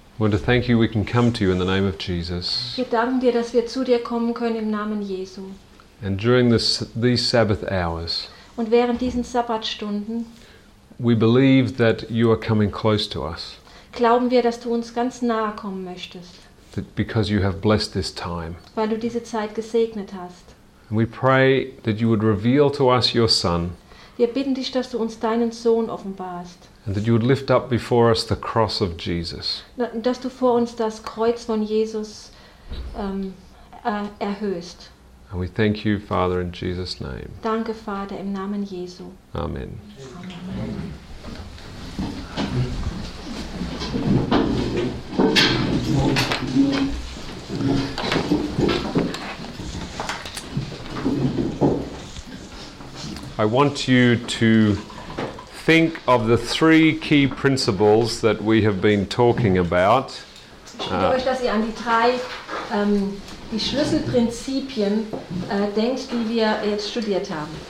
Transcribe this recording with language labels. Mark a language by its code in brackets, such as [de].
[en] we want to thank you we can come to you in the name of Jesus. [de] Wir danken dir, dass wir zu dir kommen können im Namen Jesu. [en] And during these Sabbath hours, [de] und während diesen Sabbatstunden, [en] we believe that you are coming close to us. [de] Glauben wir, dass du uns ganz nahe kommen möchtest. [en] That because you have blessed this time. [de] Weil du diese Zeit gesegnet hast. [en] And we pray that you would reveal to us your Son. [de] Wir bitten dich, dass du uns deinen Sohn offenbarst. [en] And that you would lift up before us the cross of Jesus. [de] Dass du vor uns das Kreuz von Jesus erhöhst. [en] And we thank you, Father, in Jesus' name. [de] Danke, Vater, im Namen Jesu. [en] Amen. I want you to think of the three key principles that we have been talking about. [de] Ich bitte euch, dass ihr an die drei die Schlüsselprinzipien denkt, die wir jetzt studiert haben.